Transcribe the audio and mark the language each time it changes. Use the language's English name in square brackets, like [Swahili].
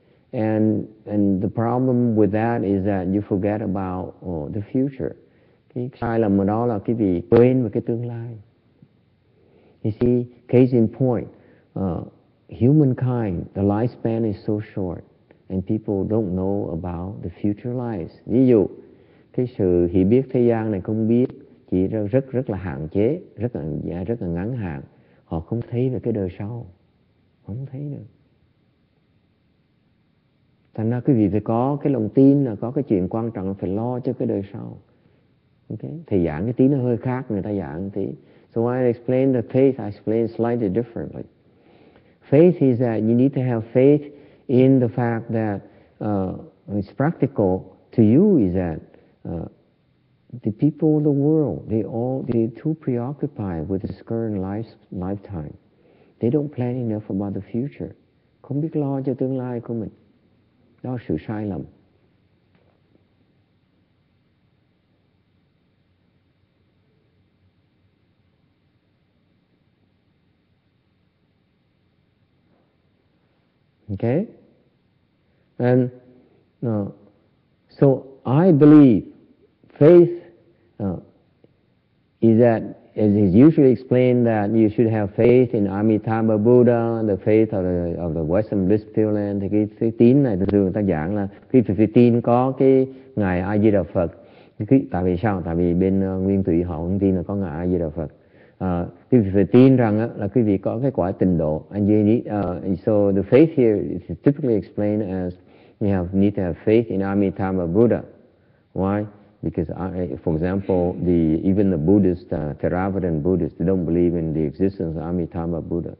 [English] And the problem with that is that you forget about the future. [Vietnamese] Cái sai lầm mà đó là cái vị quên về cái tương lai. [English] You see, case in point, humankind, the lifespan is so short, and people don't know about the future lives. [Vietnamese] Ví dụ, cái sự hiểu biết thế gian này không biết, chỉ rất rất là hạn chế, rất là ngắn hạn. Họ không thấy về cái đời sau, không thấy được. Thành ra quý vị phải có cái lòng tin là có cái chuyện quan trọng phải lo cho cái đời sau. Okay? Thầy giảng cái tí nó hơi khác, người ta giảng tí. [English] So I explain the faith, I explain slightly differently. Faith is that you need to have faith in the fact that it's practical to you is that the people of the world, they're too preoccupied with this current lifetime. They don't plan enough about the future. [Vietnamese] Không biết lo cho tương lai của mình. Đó là sự sai lầm. [English] Okay? And so I believe faith is that, as is usually explained, that you should have faith in Amitabha Buddha, the faith of the Western Bliss Pure Land. [Vietnamese] Thì cái tín này thường người ta giảng là khi phải tin có cái ngài A Di Đà Phật. Tại vì sao? Tại vì bên Nguyên Thủy họ không tin là có ngài A Di Đà Phật. Quý vị phải tin rằng là quý vị có cái quả tịnh độ. [English] And you need, so the faith here is typically explained as you need to have faith in Amitabha Buddha. Why? Because the Buddhist, Theravadan Buddhists, they don't believe in the existence of Amitabha Buddha.